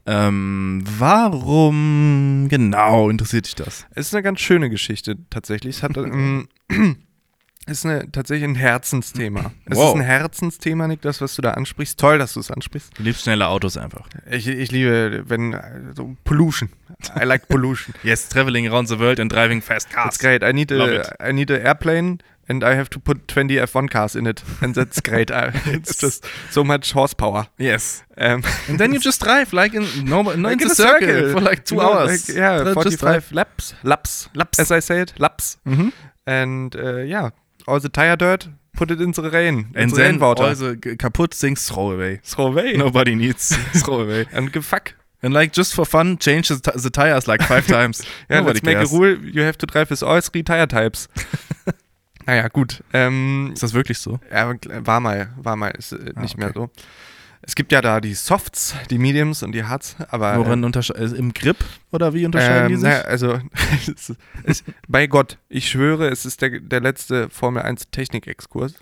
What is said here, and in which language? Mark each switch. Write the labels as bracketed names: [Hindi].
[German] Warum genau interessiert dich das? Es ist eine ganz schöne Geschichte tatsächlich. Es ist tatsächlich ein Herzensthema. Es ist ein Herzensthema, Nick, das, was du da ansprichst. Toll, dass du es ansprichst. Du liebst schnelle Autos einfach. Ich liebe, wenn, so Pollution. [English] I like Pollution. Yes, traveling around the world and driving fast cars. It's great. I need an airplane. And I have to put 20 F1 cars in it. And that's great. It's just so much horsepower. Yes. And then you just drive like in a circle for like two hours. Like, yeah, 45 laps. Laps. Laps. As I say it, laps. Mm-hmm. And all the tire dirt, put it into the rain. And the then rainwater. All the kaputt things throw away. Throw away. Nobody needs. Throw away. And give fuck. And like just for fun, change the tires like 5 times. Yeah, nobody let's cares. Make a rule. You have to drive with all 3 tire types. [German] Naja, gut. Ist das wirklich so? War mal, ist nicht mehr so. Es gibt ja da die Softs, die Mediums und die Hards, aber... Worin im Grip oder wie unterscheiden die sich? bei Gott, ich schwöre, es ist der letzte Formel 1 Technik-Exkurs.